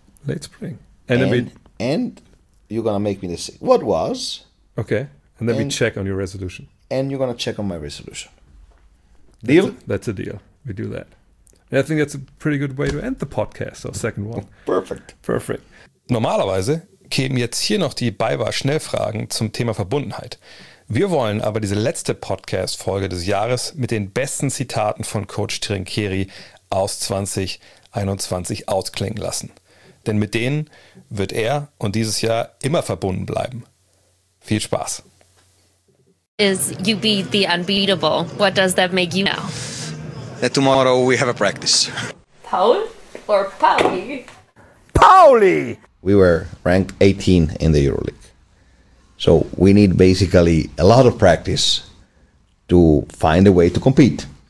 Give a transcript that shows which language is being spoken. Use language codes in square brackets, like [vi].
[en] Late spring. And you're going to make me the same. What was? Okay. And then we check on your resolution. And you're going to check on my resolution. Deal? That's a deal. We do that. And I think that's a pretty good way to end the podcast, our second one. Perfect. [de] Normalerweise kämen jetzt hier noch die Baywatch-Schnellfragen zum Thema Verbundenheit. Wir wollen aber diese letzte Podcast-Folge des Jahres mit den besten Zitaten von Coach Tinchieri aus 2021 ausklingen lassen. Denn mit denen wird er und dieses Jahr immer verbunden bleiben. Viel Spaß. [en] Is you beat the unbeatable. What does that make you now? That tomorrow we have a practice. Paul or Pauli? Pauli! We were ranked 18 in the EuroLeague. So we need basically a lot of practice to find a way to compete.